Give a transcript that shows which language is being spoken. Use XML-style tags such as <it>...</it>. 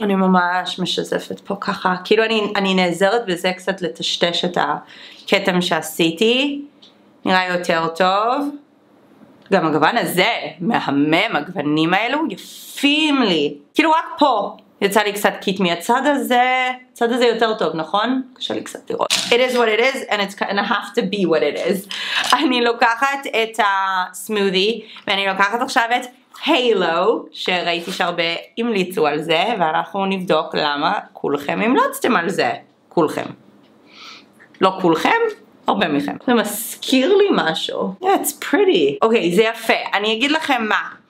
<he>אני ממש משזפת פה ככה, כאילו אני נעזרת בזה קצת לטשטש את הכתם שעשיתי, נראה יותר טוב. גם הגוון הזה, מהמם, הגוונים האלו יפים לי. כאילו רק פה יצא לי קצת קטמי, הצד הזה יותר טוב, נכון? קשה לי קצת לראות.</he> <en>It is what it is, and it's gonna have to be what it is.</en> <he>אני לוקחת את הסמודי, ואני לוקחת עכשיו את הילו, שראיתי שהרבה המליצו על זה, ואנחנו נבדוק למה כולכם המלצתם על זה. כולכם. לא כולכם, הרבה מכם. זה מזכיר לי משהו.</he> <en>It's pretty.</en> <he>אוקיי, זה יפה. אני אגיד לכם מה.</he>